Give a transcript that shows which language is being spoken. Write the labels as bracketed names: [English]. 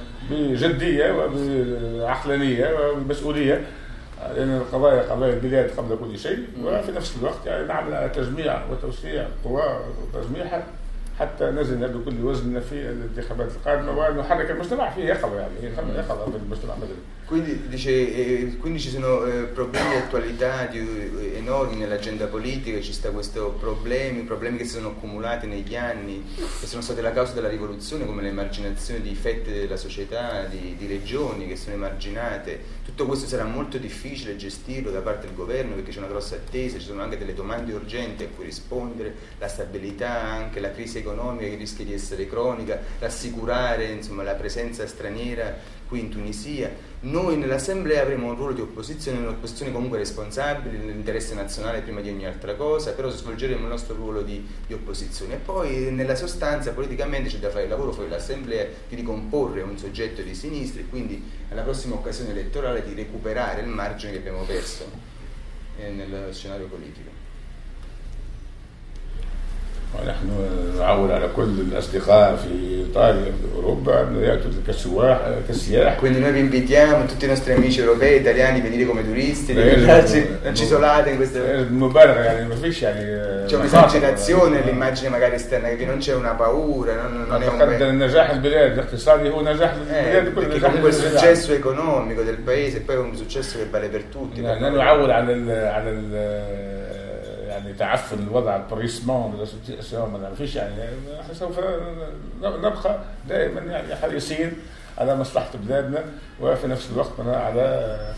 [Arabic] بجدية وبعقلانية وبمسؤولية لأن يعني القضايا قضايا البلاد قبل كل شيء وفي نفس الوقت يعني نعمل على تجميع وتوسيع القوى وتجميعها حتى نزن بكل وزننا في الانتخابات القادمة ونحرك المجتمع في يقظة يعني يقظة في المجتمع المدني. [Italian] Quindi dice, quindi ci sono problemi di attualità enormi nell'agenda politica, ci sta questo problemi che si sono accumulati negli anni, che sono state la causa della rivoluzione, come l'emarginazione di fette della società, di regioni che sono emarginate. Tutto questo sarà molto difficile gestirlo da parte del governo perché c'è una grossa attesa, ci sono anche delle domande urgenti a cui rispondere, la stabilità, anche la crisi economica che rischia di essere cronica, rassicurare insomma, la presenza straniera qui in Tunisia. Noi nell'Assemblea avremo un ruolo di opposizione, un'opposizione comunque responsabile, nell'interesse nazionale prima di ogni altra cosa, però svolgeremo il nostro ruolo di opposizione. Poi nella sostanza politicamente c'è da fare il lavoro fuori l'Assemblea di ricomporre un soggetto di sinistra e quindi alla prossima occasione elettorale di recuperare il margine che abbiamo perso nello scenario politico. [Arabic] ونحن نعول على كل الأصدقاء في إيطاليا وفي أوروبا أن يأتوا كسواح كسياح. [Italian] Quindi noi vi invitiamo tutti i nostri amici europei italiani venire come turisti. Non ci isolate in questo. [Arabic] مبالغة يعني ما فيش يعني. [Italian] C'è un'esagerazione all'immagine magari esterna che non c'è una paura. Non è un. [Arabic] نجاح البلاد الاقتصادي هو نجاح البلاد كلها. [Italian] Perché comunque il successo economico del paese poi è un successo che vale per tutti. [Arabic] نحن نعول على ال يعني تعفن الوضع البريسمون ما فيش يعني سوف نبقى دائما يعني حريصين على مصلحة بلادنا وفي نفس الوقت على